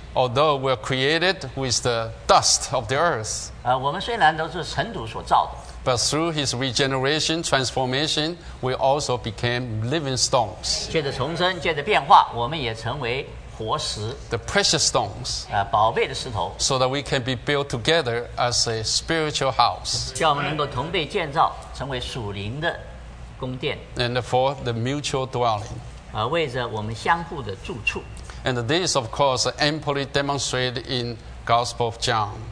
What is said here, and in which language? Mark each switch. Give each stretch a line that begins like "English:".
English: Although we are created with the dust of the earth,
Chinese: 我们虽然都是尘土所造的
English: But through his regeneration, transformation, we also became living stones.
Chinese: 借着重生，借着变化，我们也成为活石。
English: The precious stones.
Chinese: 宝贝的石头。
English: So that we can be built together as a spiritual house.
Chinese: 叫我们能够同被建造，成为属灵的宫殿。
English: And for the mutual dwelling.
Chinese: 为着我们相互的住处。
English: And this, of course, amply demonstrated in Gospel of John.